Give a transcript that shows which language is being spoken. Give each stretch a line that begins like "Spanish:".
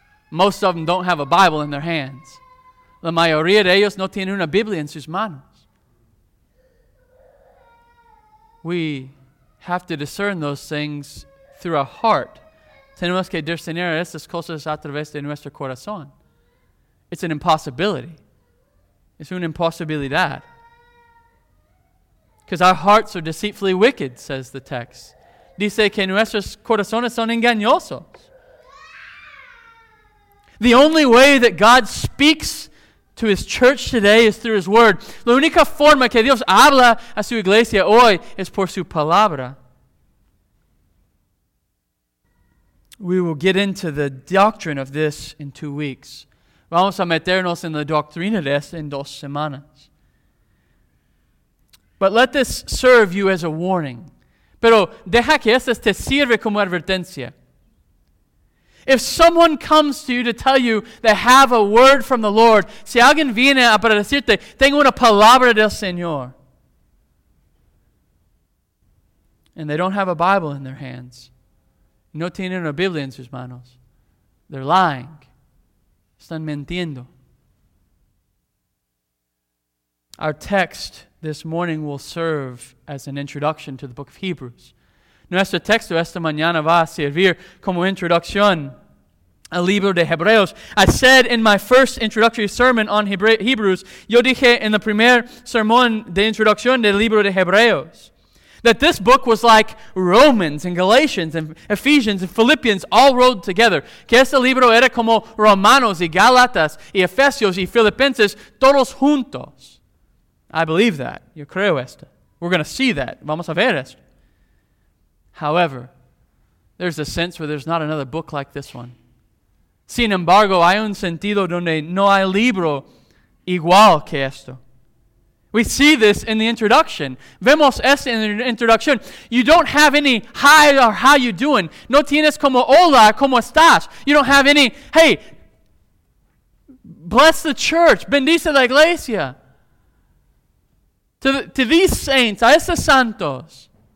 English: Most of them don't have a Bible in their hands.
Spanish: La mayoría de ellos no tienen una Biblia en sus manos.
English: We have to discern those things through our heart.
Spanish: Tenemos que discernir esas cosas a través de nuestro corazón.
English: It's an impossibility.
Spanish: Es una imposibilidad.
English: Because our hearts are deceitfully wicked, says the text.
Spanish: Dice que nuestros corazones son engañosos.
English: The only way that God speaks to His church today is through His Word.
Spanish: La única forma que Dios habla a su iglesia hoy es por su palabra.
English: We will get into the doctrine of this in 2 weeks.
Spanish: Vamos a meternos en la doctrina de esto en 2 semanas.
English: But let this serve you as a warning.
Spanish: Pero deja que esto te sirva como advertencia.
English: If someone comes to you to tell you they have a word from the Lord,
Spanish: si alguien viene a para decirte, tengo una palabra del Señor,
English: and they don't have a Bible in their hands,
Spanish: no tienen una Biblia en sus manos,
English: they're lying,
Spanish: están mintiendo.
English: Our text this morning will serve as an introduction to the book of Hebrews.
Spanish: Nuestro texto esta mañana va a servir como introducción al libro de Hebreos.
English: I said in my first introductory sermon on Hebrews,
Spanish: yo dije en el primer sermón de introducción del libro de Hebreos,
English: that this book was like Romans and Galatians and Ephesians and Philippians all rolled together.
Spanish: Que este libro era como Romanos y Galatas y Efesios y Filipenses todos juntos.
English: I believe that.
Spanish: Yo creo esto.
English: We're going to see that.
Spanish: Vamos a ver esto.
English: However, there's a sense where there's not another book like this one.
Spanish: Sin embargo, hay un sentido donde no hay libro igual que esto.
English: We see this in the introduction.
Spanish: Vemos esto
English: in the introduction. You don't have any, hi, or how you doing.
Spanish: No tienes como, hola, ¿cómo estás?
English: You don't have any, hey, Bless the church.
Spanish: Bendice la iglesia.
English: To these saints,
Spanish: a esos santos.